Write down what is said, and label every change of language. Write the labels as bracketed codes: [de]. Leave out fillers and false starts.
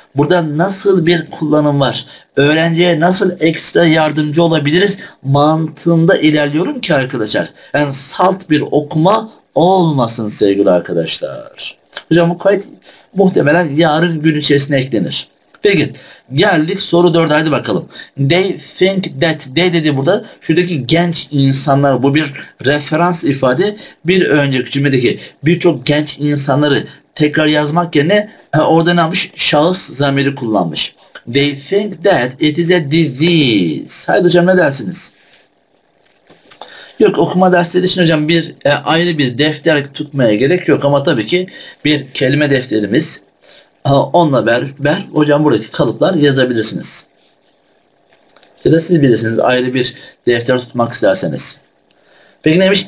[tr] Burada nasıl bir kullanım var? Öğrenciye nasıl ekstra yardımcı olabiliriz? Mantığında ilerliyorum ki arkadaşlar. Yani salt bir okuma olmasın sevgili arkadaşlar. Hocam bu kayıt muhtemelen yarın gün içerisine eklenir. Peki geldik soru 4'e hadi bakalım. [en] They think that they [tr] dedi burada. Şuradaki genç insanlar bu bir referans ifade. Bir önceki cümledeki birçok genç insanları tekrar yazmak yerine orada ne yapmış? Şahıs zamiri kullanmış. [en] They think that it is a disease. [tr] Haydi hocam ne dersiniz? Yok okuma dersleri için hocam bir ayrı bir defter tutmaya gerek yok ama tabii ki bir kelime defterimiz. Onunla beraber hocam buradaki kalıplar yazabilirsiniz. Ya da siz bilirsiniz ayrı bir defter tutmak isterseniz. Peki neymiş?